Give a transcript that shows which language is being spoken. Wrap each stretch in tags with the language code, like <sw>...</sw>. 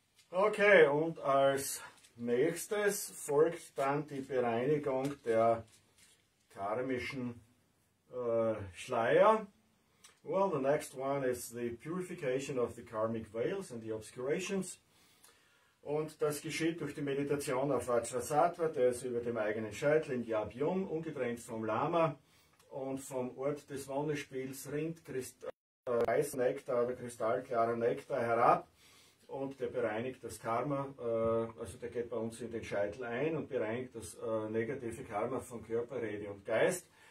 <de>Okay, und als nächstes folgt dann die Bereinigung der karmischen Schleier.</de> <en>Well, the next one is the purification of the karmic veils and the obscurations.</en> <de>Und das geschieht durch die Meditation auf Vajrasattva, der ist über dem eigenen Scheitel in Yab-Yum, ungetrennt vom Lama und vom Ort des Wonnespiels rinnt weißer Nektar oder kristallklarer Nektar herab. Und der bereinigt das Karma, also der geht bei uns in den Scheitel ein und bereinigt das negative Karma von Körper, Rede und Geist.</de>